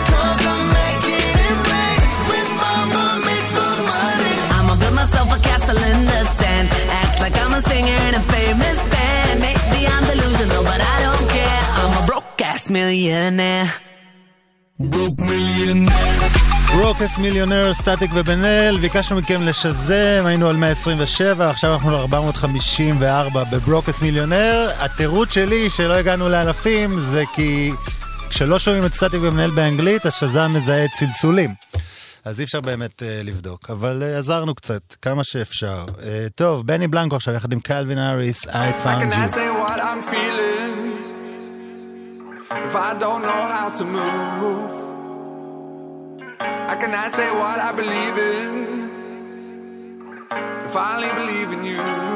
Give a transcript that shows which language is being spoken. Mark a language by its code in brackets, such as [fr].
[en] 'Cause I'm making it rain with my mom and some money. I'ma build myself a castle in the sand, act like I'm a singer in a famous band. Maybe I'm delusional, but I don't care. I'm a broke ass millionaire. [he] Broke Ass Millionaire, סטטיק ובנאל, ביקשנו מכם לשזם, היינו על 127, עכשיו אנחנו על 454 בברוק אס מיליונר. התירוץ שלי שלא הגענו לאלפים זה כי כשלא שומעים את סטטיק ובנאל באנגלית, השזם מזהה את צלצולים. אז אי אפשר באמת לבדוק, אבל עזרנו קצת, כמה שאפשר. טוב, בני בלנקו עכשיו יחד עם קלווין האריס, I found you. [en] I can say what I'm feeling. If I don't know how to move, I cannot say what I believe in. If I only believe in you.